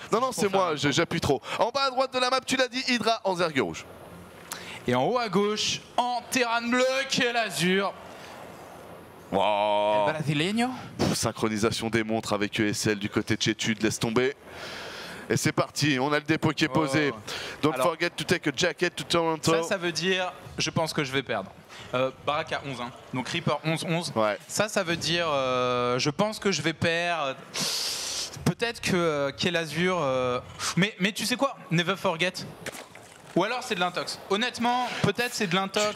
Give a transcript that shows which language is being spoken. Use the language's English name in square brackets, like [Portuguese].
[French] Non, c'est moi, j'appuie trop. En bas à droite de la map, tu l'as dit, Hydra en zergue rouge. Et en haut à gauche, en terrain bleu, Kell Azur. Wow. Synchronisation des montres avec ESL du côté de chez Tud, laisse tomber. Et c'est parti, on a le dépôt qui est posé. [English] Don't [French] Alors, [English] forget to take a jacket to Toronto. [French] Ça veut dire, je pense que je vais perdre. Baraka 11-1, donc Reaper 11-11. Ouais. Ça veut dire, je pense que je vais perdre. Peut-être que Kell Azur... Mais tu sais quoi, [English] never forget. [French] Ou alors c'est de l'intox. Honnêtement, peut-être c'est de l'intox.